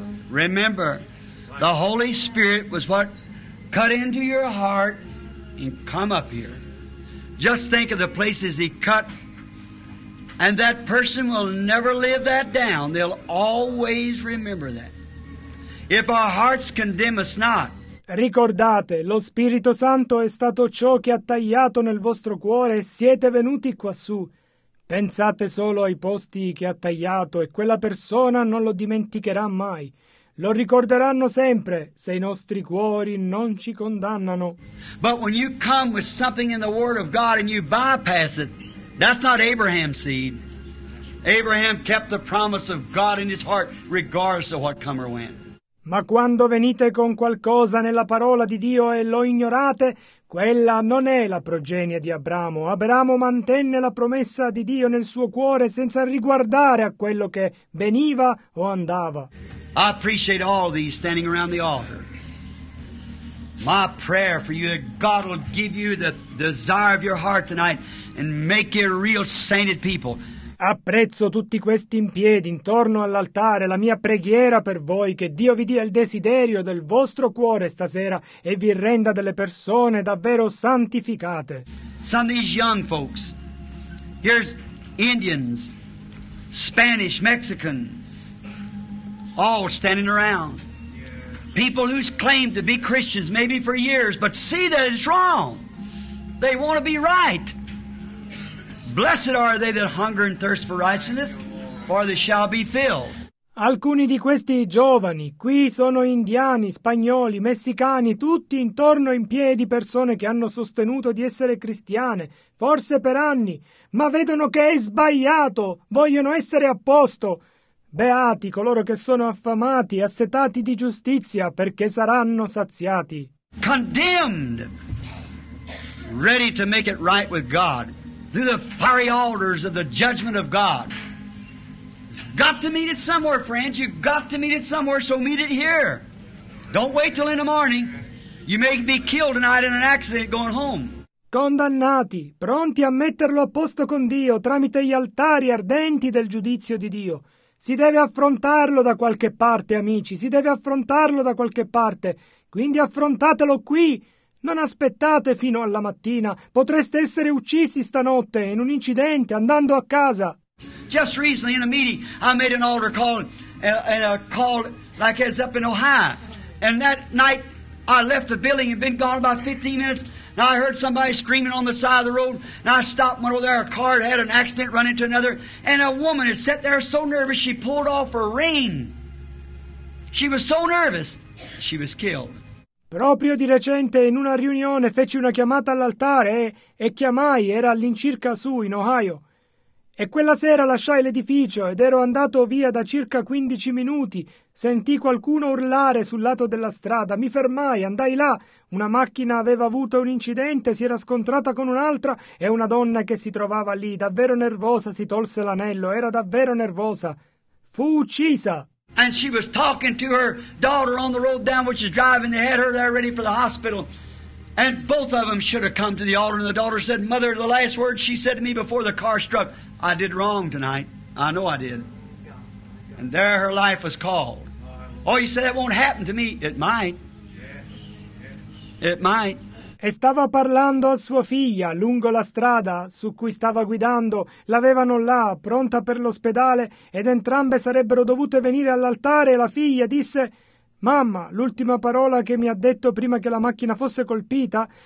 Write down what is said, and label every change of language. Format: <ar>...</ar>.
<en>Remember, the Holy Spirit was what cut into your heart and come up here. Just think of the places He cut, and that person will never live that down. They'll always remember that. If our hearts condemn us not.</en> <it>Ricordate, lo Spirito Santo è stato ciò che ha tagliato nel vostro cuore e siete venuti quassù. Pensate solo ai posti che ha tagliato e quella persona non lo dimenticherà mai. lo ricorderanno sempre se i nostri cuori non ci condannano.</it> <en>But when you come with something in the Word of God and you bypass it, that's not Abraham's seed. Abraham kept the promise of God in his heart regardless of what come or went.</en> <it>Ma quando venite con qualcosa nella parola di Dio e lo ignorate, quella non è la progenie di Abramo. Abramo mantenne la promessa di Dio nel suo cuore senza riguardare a quello che veniva o andava.</it> <en>I appreciate all these standing around the altar. My prayer for you that God will give you the desire of your heart tonight and make you a real sainted people.</en> <it>Apprezzo tutti questi in piedi intorno all'altare, la mia preghiera per voi che Dio vi dia il desiderio del vostro cuore stasera e vi renda delle persone davvero santificate.</it> <en>Some of these young folks, here's Indians, Spanish, Mexican, all standing around. People who's claimed to be Christians, maybe for years, but see that it's wrong. They want to be right. Blessed are they that hunger and thirst for righteousness, for they shall be filled.</en> <it>Alcuni di questi giovani qui sono indiani, spagnoli, messicani, tutti intorno in piedi persone che hanno sostenuto di essere cristiane, forse per anni, ma vedono che è sbagliato, vogliono essere a posto. Beati coloro che sono affamati, assetati di giustizia, perché saranno saziati.</it> <en>Condemned, ready to make it right with God. Through the fiery altars of the judgment of God. It's got to meet it somewhere, friends. You've got to meet it somewhere, so meet it here. Don't wait till in the morning. You may be killed tonight in an accident going home.</en> <it>Condannati, pronti a metterlo a posto con Dio tramite gli altari ardenti del giudizio di Dio. Si deve affrontarlo da qualche parte, amici. Si deve affrontarlo da qualche parte. Quindi affrontatelo qui. Non aspettate fino alla mattina. Potreste essere uccisi stanotte in un incidente andando a casa.</it> <en>Just recently in a meeting I made an altar call and a call like it's up in Ohio. And that night I left the building and been gone about 15 minutes. And I heard somebody screaming on the side of the road. And I stopped and went over there. A car had an accident run into another. And a woman had sat there so nervous she pulled off her ring. She was so nervous she was killed.</en> <it>Proprio di recente in una riunione feci una chiamata all'altare e chiamai, era all'incirca su, in Ohio. E quella sera lasciai l'edificio ed ero andato via da circa 15 minuti. Sentì qualcuno urlare sul lato della strada. Mi fermai, andai là. Una macchina aveva avuto un incidente, si era scontrata con un'altra e una donna che si trovava lì, davvero nervosa, si tolse l'anello. Era davvero nervosa. Fu uccisa.</it> <en>And she was talking to her daughter on the road down, which is driving. They had her there ready for the hospital. And both of them should have come to the altar. And the daughter said, Mother, the last word she said to me before the car struck, I did wrong tonight. I know I did. And there her life was called. Oh, you said it won't happen to me. It might. It might.</en> <it>E stava parlando a sua figlia lungo la strada su cui stava guidando. L'avevano là, pronta per l'ospedale, ed entrambe sarebbero dovute venire all'altare. La figlia disse, «Mamma, l'ultima parola che mi ha detto prima che la macchina fosse colpita?</it>